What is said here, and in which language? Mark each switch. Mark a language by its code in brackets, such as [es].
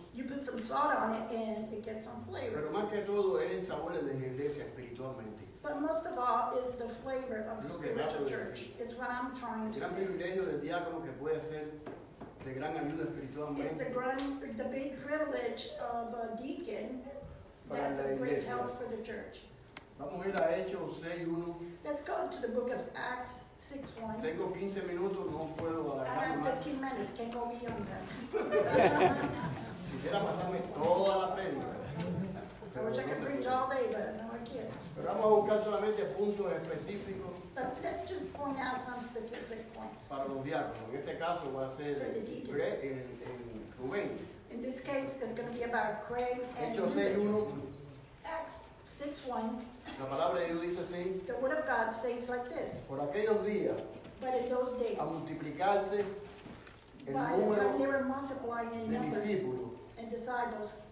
[en] You put some salt on it and it gets some flavor. [es] Pero más que todo es el sabor de la iglesia espiritualmente. [en] But most of all is the flavor of the spiritual church. It's what I'm trying to say. [es] El privilegio del diácono que puede ser de gran ayuda espiritualmente. [en] It's the big privilege of a deacon that's a great help for the church. [es] Vamos a ir a Hechos 6:1. [en] Let's go to the book of Acts 6:1. [es] Tengo 15 minutos, no puedo alargar más. [en] I have 15 minutes, can't go beyond that. [es] Quisiera pasarme toda la prédica. [en] I wish I could preach all day, but no, I can't. [es] Pero vamos a buscar solamente puntos específicos. específico. [en] But let's just point out some specific points. [es] Para los diáconos. En este caso va a ser Craig y Rubén. [en] In this case, it's going to be about Craig and Rubén. Acts 6:1. [es] La palabra de Dios dice así. [en] The word of God says like this. [es] Por aquellos días. [en] But in those days. [es] A multiplicarse. [en] By the time they were multiplying in number and disciples,